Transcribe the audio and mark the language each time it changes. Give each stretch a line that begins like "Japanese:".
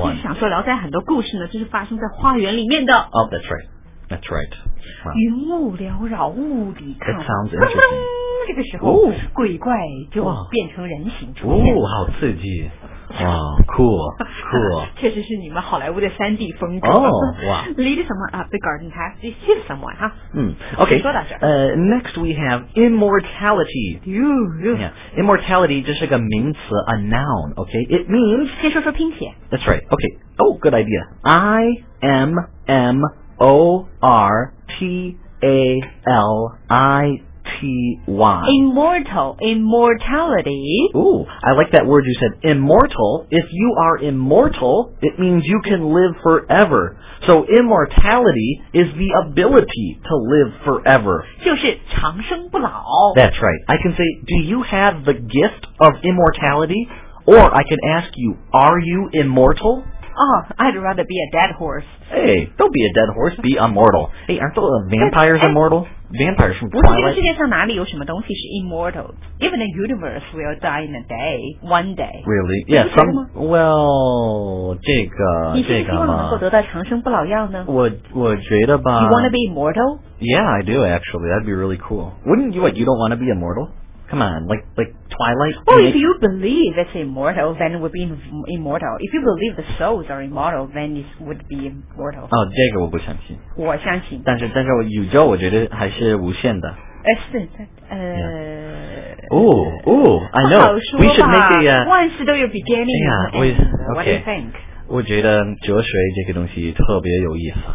Chinese: 我就想说，聊斋很多故事呢，就是发生在花园里面的。
English: Oh, that's right. That's right.
Chinese: 云雾缭绕，雾里看。
English: That sounds interesting.
Chinese: 这个时候，鬼怪就变成人形出现。哦，好刺激。哇、cool 确实是你们好莱坞的 3D 风格哦哇、
English: lead someone up the garden path to save someone 哈、 OK
Chinese: 说到这
English: next we have immortality yeah, immortality
Chinese: 这是个名词
English: a noun OK it means
Chinese: 先说说拼写
English: that's right OK oh good idea I-M-M-O-R-T-A-L-I-T-Y. Immortal, immortality. Ooh, I like that word you said, immortal. If you are immortal, it means you can live forever. So immortality is the ability to live forever.
Chinese: 就是长生不老。
English: That's right. I can say, do you have the gift of immortality? Or I can ask you, are you immortal? Oh, I'd rather be a dead horse. Hey, don't be a dead horse. Be immortal. Hey, aren't those vampires immortal? Vampires from Twilight?
Chinese: 不是这个世界上哪里有什么东西是 immortal.
English: Even the universe will die in a day. One day. Really? Yeah, some... Well,
Chinese: 这个你是希望能够得到长生不老药呢？我觉得吧
English: You want to be immortal? Yeah, I do, actually. That'd be really cool. Wouldn't you... What, you don't want to be immortal? Come on, like... Twilight? Well, if you believe it's immortal, then it would be immortal. If you believe the souls are immortal, then it would be immortal.
Chinese: Oh, 这个我不相信。我相信。但是我宇宙我觉得还是无限的。是。
English: Yeah. Oh, I know.
Chinese: 好说吧。
English: We should make a,
Chinese: 万事都有 beginning.
English: Yeah, what do you think?
Chinese: 我觉得哲学这个东西特别有意思。